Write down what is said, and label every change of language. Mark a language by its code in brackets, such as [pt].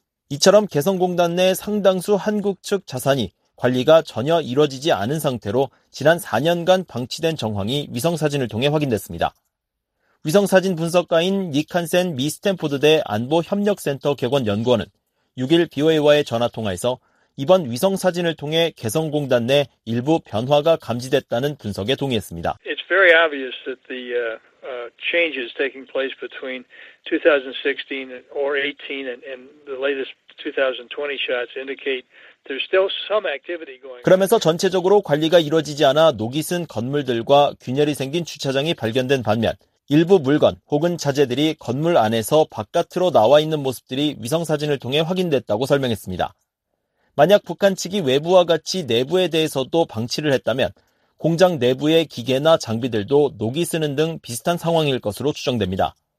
[ko] 이처럼 개성공단 내 상당수 한국 측 자산이 관리가 전혀 이루어지지 않은 상태로 지난 4년간 방치된 정황이 위성사진을 통해 확인됐습니다. 위성사진 분석가인 닉 한센 미 스탠포드대 안보협력센터 객원연구원은 6일 BOA와의 전화통화에서 이번 위성사진을 통해 개성공단 내 일부 변화가 감지됐다는 분석에 동의했습니다. [en] It's very obvious that the changes taking place between 2016 or 18 and the latest 2020 shots indicate there's still some activity going on. [ko] 그러면서 전체적으로 관리가 이루어지지 않아 녹이 쓴 건물들과 균열이 생긴 주차장이 발견된 반면 일부 물건 혹은 자재들이 건물 안에서 바깥으로 나와 있는 모습들이 위성 사진을 통해 확인됐다고 설명했습니다. 만약 북한 측이 외부와 같이 내부에 대해서도 방치를 했다면 공장 내부의 기계나 장비들도 녹이 쓰는 등 비슷한 상황일 것으로 추정됩니다.